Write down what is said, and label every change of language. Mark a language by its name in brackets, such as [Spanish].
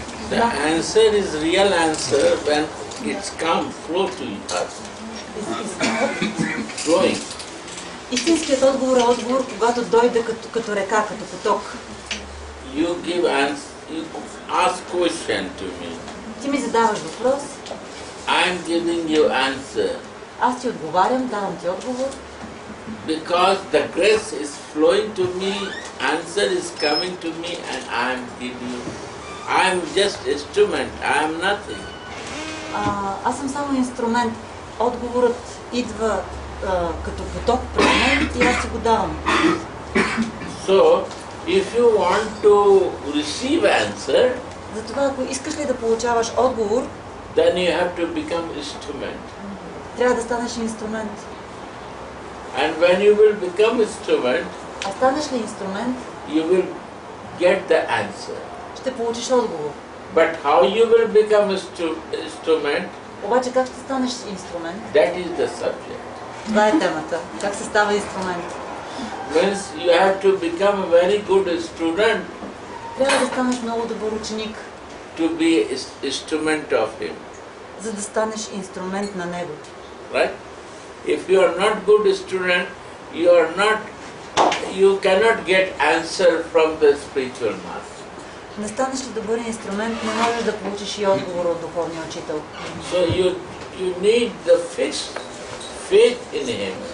[English] The answer is real answer when it's come flow to you. Flowing. [Bulgarian] Истинският отговор е отговор, когато дойде като река, като поток. [English] You give answer, you ask question to me. [Bulgarian] Ти ми задаваш въпрос. [English] I'm giving you answer. [Bulgarian] Аз ти отговарям, давам ти отговор. [English] Because the grace is flowing to me, answer is coming to me and I'm giving you. I'm just instrument, I'm nothing. [Bulgarian] Аз съм само инструмент. Отговорът идва като поток при мен и аз ти го давам. [English] So, if you want to receive answer, [Bulgarian] затова ако искаш ли да получаваш отговор, [English] then you have to become instrument. [Bulgarian] Трябва да станеш инструмент. [English] And when you will become instrument, [Bulgarian] а станеш ли инструмент, [English] you will get the answer. [Bulgarian] Ще получиш отговор. [English] But how you will become instrument? [Bulgarian] Обаче как ще станеш инструмент? [English] That is the subject. [Bulgarian] Това е темата. Как се става инструмент? [English] Means you have to become a very good student. [Bulgarian] Трябва да станеш много добър ученик. [English] To be instrument of him. [Bulgarian] За да станеш инструмент на него. [English] Right? If you are not good student, you are not, you cannot get answer from the spiritual master. [Bulgarian] Не станеш ли добър инструмент, не можеш да получиш и отговор от духовния учител. [English] So you need the fixed faith in him.